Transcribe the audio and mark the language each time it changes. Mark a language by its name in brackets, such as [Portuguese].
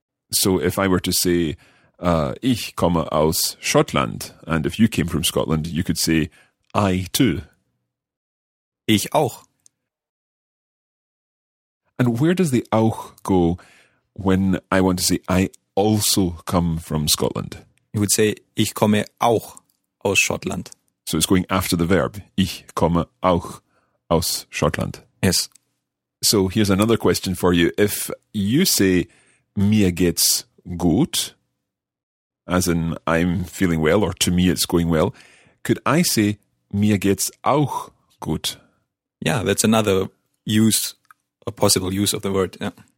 [English] So if I were to say, [German] ich komme aus Schottland. [English] And if you came from Scotland, you could say, I too. [German] Ich auch. [English] And where does the auch go when I want to say, I also come from Scotland? You would say, [German] ich komme auch aus Schottland. [English] So it's going after the verb. [German] Ich komme auch aus Schottland. [English] Yes. So here's another question for you. If you say, [German] mir geht's gut, [English] as in, I'm feeling well, or to me it's going well, could I say, [German] mir geht's auch gut? [English] Yeah, that's another use, a possible use of the word, yeah.